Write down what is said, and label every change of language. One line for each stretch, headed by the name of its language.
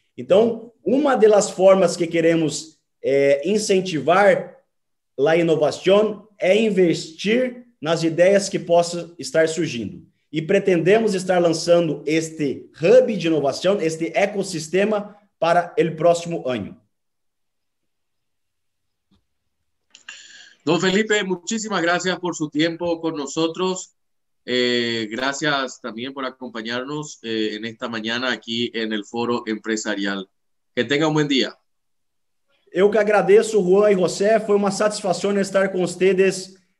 Portuguese: Então, uma das formas que queremos incentivar a inovação é investir nas ideias que possam estar surgindo. E pretendemos estar lançando este hub de inovação, este ecossistema, para o próximo ano.
Spanish: Don Felipe, muchísimas gracias por su tiempo con nosotros. Gracias también por acompañarnos en esta mañana aquí en el foro empresarial. Que tenga un buen día.
Portuguese: Eu que agradeço, Juan e José. Foi uma satisfação estar com vocês.